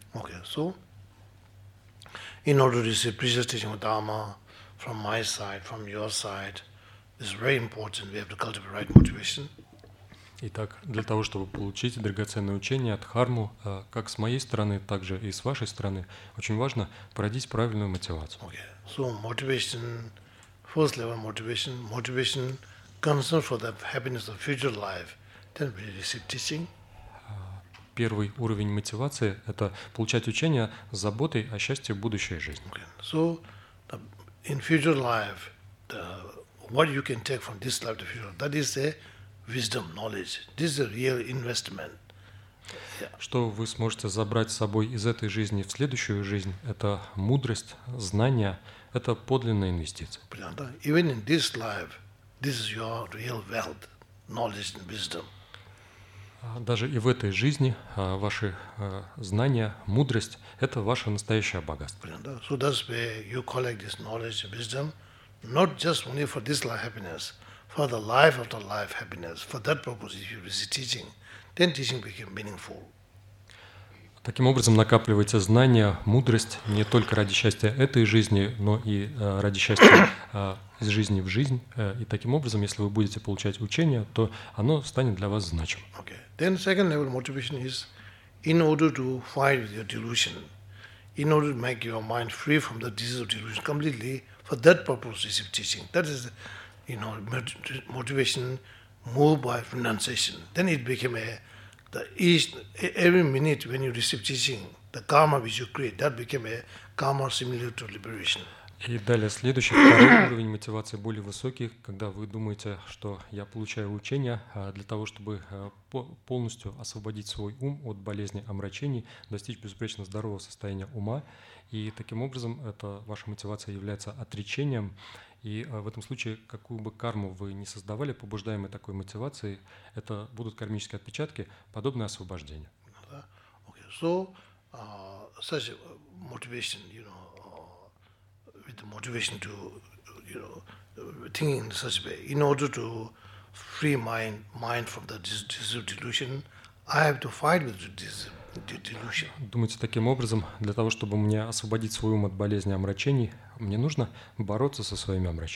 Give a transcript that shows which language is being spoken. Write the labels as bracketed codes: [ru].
[en] Okay, so in order to receive precious teaching from my side, from your side, this is very important. We have to cultivate right motivation. [ru] Итак, для того, чтобы получить драгоценное учение от Дхарму, как с моей стороны, так же и с вашей стороны, очень важно породить правильную мотивацию. [en] Okay, so motivation, first level motivation, motivation concern for the happiness of future life, then we receive teaching. [ru] Первый уровень мотивации – это получать учение с заботой о счастье в будущей жизни. [en] Okay. So, in future life, what you can take from this life to future life, that is a wisdom, knowledge. This is a real investment. Yeah. [ru] Что вы сможете забрать с собой из этой жизни в следующую жизнь – это мудрость, знания, это подлинная инвестиция. [en] Even in this life, this is your real wealth, knowledge and wisdom. [ru] Даже и в этой жизни ваши знания, мудрость – это ваше настоящее богатство. [en] So that's where you collect this knowledge, wisdom, not just only for this life happiness, for the life after life happiness. For that purpose, if you receive teaching, then teaching becomes meaningful. [ru] Таким образом, накапливаете знания, мудрость не только ради счастья этой жизни, но и ради счастья из жизни в жизнь. И таким образом, если вы будете получать учение, то оно станет для вас значимым. Okay. [en] Then second level motivation is in order to fight with your delusion, in order to make your mind free from the disease of delusion completely, for that purpose receive teaching. That is, you know, motivation moved by renunciation. Then it became every minute when you receive teaching, the karma which you create, that became a karma similar to liberation. [ru] И далее следующий, второй уровень мотивации более высокий, когда вы думаете, что я получаю учение для того, чтобы полностью освободить свой ум от болезни омрачений, достичь безупречно здорового состояния ума. И таким образом это ваша мотивация является отречением. И в этом случае, какую бы карму вы ни создавали, побуждаемой такой мотивацией, это будут кармические отпечатки, подобные освобождению. [en] Okay. So, such motivation, you know, with the motivation to, you know, thinking in such a way, in order to free mind from the disease of delusion, I have to fight with the disease. [ru] Думаете таким образом, для того, чтобы мне освободить свой ум от болезни омрачений, мне нужно бороться со своими